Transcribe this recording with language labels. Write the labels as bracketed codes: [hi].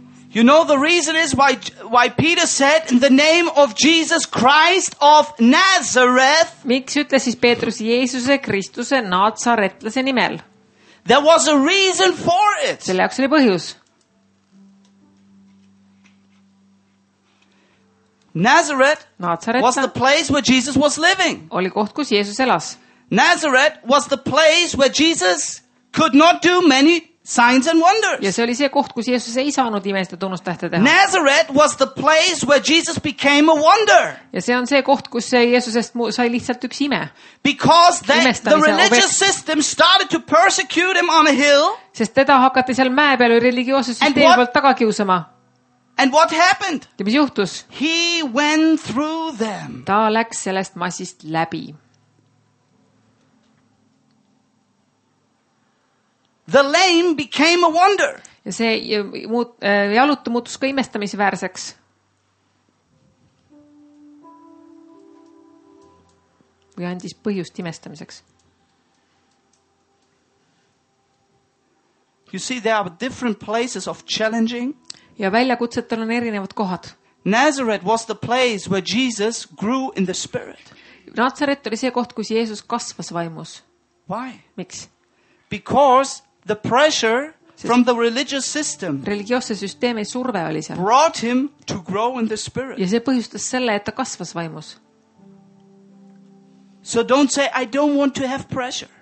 [en] You know the reason is why Peter said in the name of Jesus Christ of Nazareth. [et] Miks ütles siis Peetrus Jeesuse Kristuse natsaretlase nimel? [en] There was a reason for it. [et] Selle jaoks oli põhjus. [en] Nazareth [et] Natsaretta. [en] Was the place where Jesus was living. [et] Oli koht, kus Jeesus elas. [en] Nazareth was the place where Jesus could not do many signs and wonders. [et] Ja see oli see koht, kus Jeesus ei saanud imeste tunnustähte teha. [en] Nazareth was the place where Jesus became a wonder. [et] Ja see on see koht, kus see Jeesusest sai lihtsalt üks ime. [en] Because the religious system started to persecute him on a hill. [et] Sest teda hakati seal mäe peal religioosses süsteemi poolt taga kiusama. [en] And what happened? [et] Ja mis juhtus? [en] He went through them. [et] Ta läks sellest massist läbi. [en] The lame became a wonder. [et] Ja see jalutu muutus ka imestamisväärseks. Või andis põhjust imestamiseks. [en] You see, there are different places of challenging. [et] Ja väljakutsetel on erinevad kohad. [en] Nazareth was the place where Jesus grew in the spirit. [et] Natsaret oli see koht, kus Jeesus kasvas vaimus. [en] Why? [et] Miks? [en] Because the pressure from the religious system [et] religioosse süsteemi surve oli seal [en] brought him to grow in the spirit. [et] Ja see põhjustas selle, et ta kasvas vaimus. [en] So don't say I don't want to have pressure.